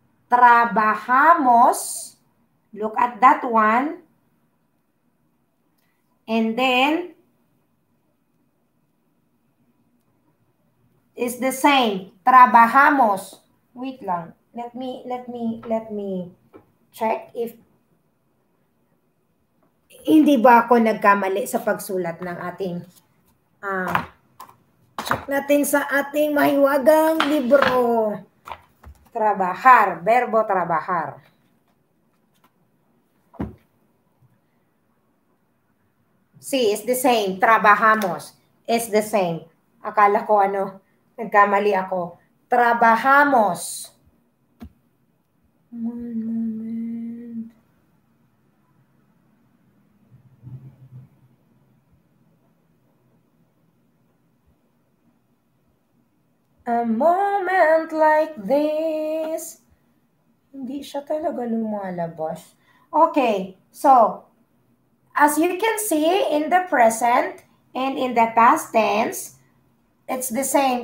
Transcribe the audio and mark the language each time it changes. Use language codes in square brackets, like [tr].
[en] Trabajamos, look at that one, and then it's the same. [es] Trabajamos. [en] Wait lang. Let me check if [tl] hindi ba ako nagkamali sa pagsulat ng ating check natin sa ating mahiwagang libro. [es] Trabajar, verbo trabajar. Sí, [en] it's the same. Trabajamos. It's the same. [tl] Akala ko ano, nagkamali ako. [en] Trabajamos. One moment. A moment like this. [tl] Hindi siya talaga lumalabas. [en] Okay, so as you can see in the present and in the past tense, it's the same.